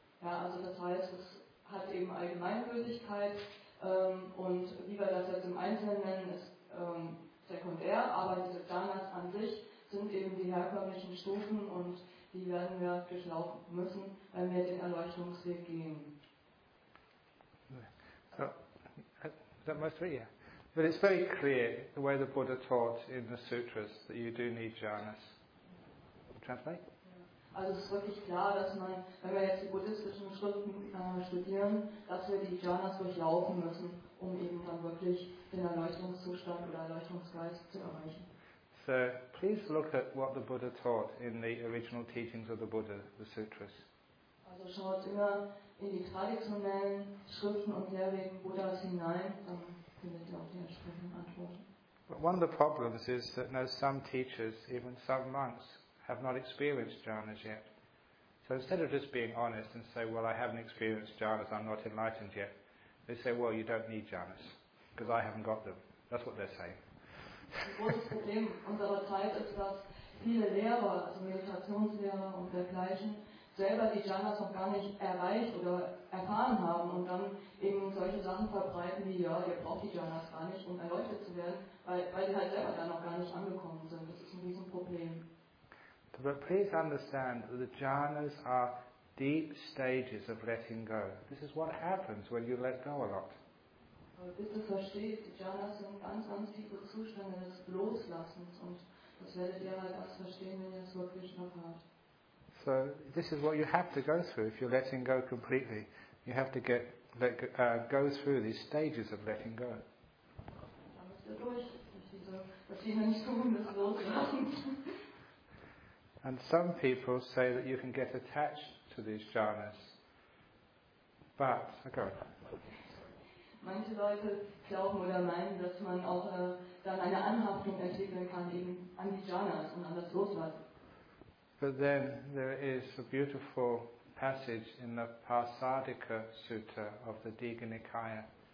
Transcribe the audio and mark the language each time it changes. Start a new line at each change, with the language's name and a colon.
German: Ja, also das heißt, es hat eben Allgemeingültigkeit und wie wir das jetzt im Einzelnen nennen, ist sekundär, aber diese Jhanas an sich sind eben die herkömmlichen Stufen und die werden wir durchlaufen müssen, wenn wir den Erleuchtungsweg gehen.
English: So, that must be, yeah. But it's very clear, the way the Buddha taught in the sutras, that you do need Jhanas. Translate?
German: Also es ist wirklich klar, dass man, wenn wir jetzt die buddhistischen Schriften studieren, dass wir die Jhanas durchlaufen müssen, um eben dann wirklich den Erleuchtungszustand oder Erleuchtungsgeist zu erreichen.
English: So, please look at what the Buddha taught in the original teachings of the Buddha, the sutras.
German: Also schaut immer in die traditionellen Schriften und Lehrwegen Buddhas hinein, dann findet ihr auch die entsprechenden Antworten.
English: But one of the problems is that some teachers, even some monks, have not experienced jhanas yet. So instead of just being honest and say, well, I haven't experienced jhanas, I'm not enlightened yet, they say, well, you don't need jhanas, because I haven't got them. That's what they're saying.
German: Ein großes Problem unserer Zeit ist, dass viele Lehrer, also Meditationslehrer und dergleichen, selber die Jhanas noch gar nicht erreicht oder erfahren haben und dann eben solche Sachen verbreiten wie, ja, ihr braucht die Jhanas gar nicht, um erleuchtet zu werden, weil sie halt selber da noch gar nicht angekommen sind. Das ist ein Riesenproblem.
English: But please understand that the jhanas are deep stages of letting go. This is what happens when you let go a lot.
German: Bitte versteht, die Jhanas sind ganz, ganz tiefe Zustände des Loslassens und das werdet ihr halt erst verstehen, wenn ihr es wirklich noch habt.
English: So, this is what you have to go through if you're letting go completely. You have to go through these stages of letting go.
German: Da müsst ihr durch, dass ihr nicht tun, das Loslassen.
English: And some people say that you can get attached to these jhanas. But, go on.
German: Manche Leute glauben oder meinen, dass man auch dann eine Anhaftung entwickeln kann eben an die Jhanas und an das Loslassen.
English: But then there is a beautiful passage in the Parsadika Sutta of the Digha Nikaya.